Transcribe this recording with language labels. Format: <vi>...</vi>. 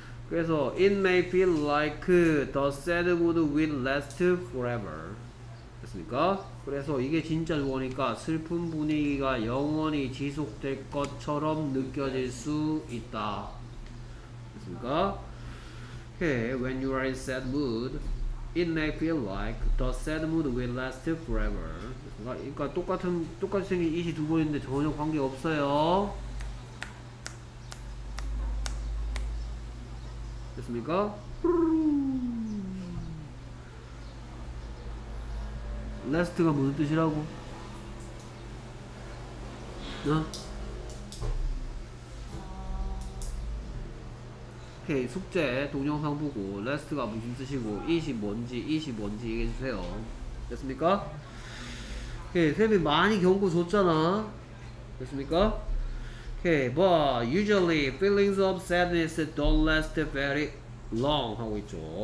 <ko>그래서</ko> <en>it may feel like the sad mood will last forever.</en> <ko>됐습니까? 그래서 이게 진짜 좋으니까 슬픈 분위기가 영원히 지속될 것처럼 느껴질 수 있다. 됐습니까?</ko> <en>Okay, when you are in sad mood, it may feel like the sad mood will last forever.</en> <ko>그러니까 똑같이 생긴 이시 두 번인데 전혀 관계 없어요. 됐습니까? 레스트가 무슨 뜻이라고? 네? 오케이, 숙제 동영상 보고 레스트가 무슨 뜻이고 이시 뭔지 얘기해주세요. 됐습니까? 오케이, 쌤이 많이 경고 줬잖아. 됐습니까?</ko> <en>Okay, but usually feelings of sadness don't last very long</en> <ko>하고 있죠.</ko>